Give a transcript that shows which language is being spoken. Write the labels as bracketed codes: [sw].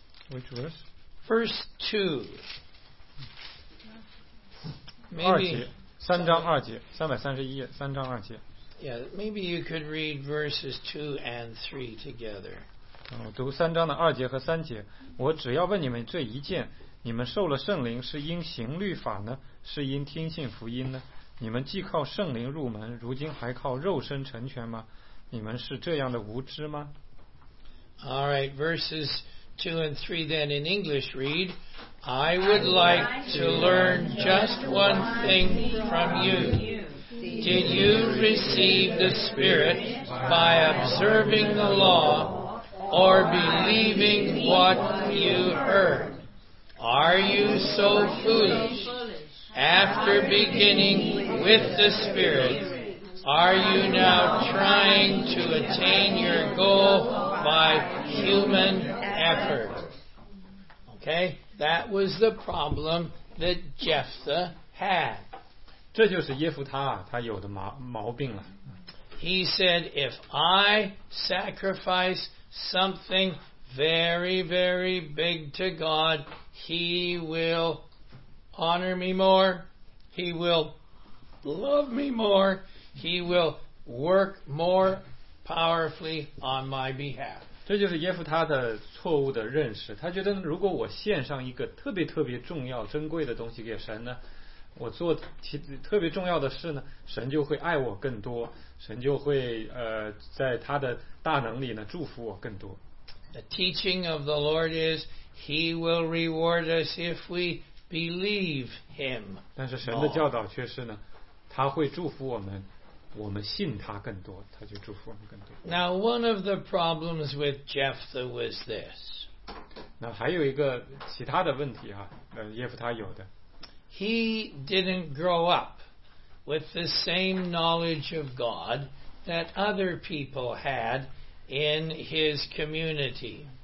[en] Which verse? First two, maybe 3 [zh] 章 2节, 331页, 3 章 2节. [en] Yeah, maybe you could read verses 2 and 3 together. [zh] 我读三章的二节和三节。我只要问你们这一件：你们受了圣灵是因行律法呢，是因听信福音呢？你们既靠圣灵入门，如今还靠肉身成全吗？你们是这样的无知吗 [en] ？All right, verses. 2 and 3 then in English read, I would like to learn just one thing from you. Did you receive the Spirit by observing the law or believing what you heard? Are you so foolish? After beginning with the Spirit, are you now trying to attain your goal by human effort? Okay, that was the problem that Jephthah had. [zh] 这就是耶弗他啊，他有的毛病了。 [en] He said, if I sacrifice something very, very big to God, he will honor me more, he will love me more, he will work more powerfully on my behalf. [zh] 这就是耶夫他的错误的认识，他觉得如果我献上一个特别特别重要珍贵的东西给神呢，我做其特别重要的事呢，神就会爱我更多，神就会在他的大能里呢祝福我更多。 [en] The teaching of the Lord is he will reward us if we believe him. [zh] 但是神的教导却是呢，他会祝福我们，我们信他更多，他就祝福我们更多。 [en] Now one of the problems with Jephthah was this. [zh] 那还有一个其他的问题啊，耶夫他有的。 [en] He didn't grow up with the same knowledge of God that other people had in his community.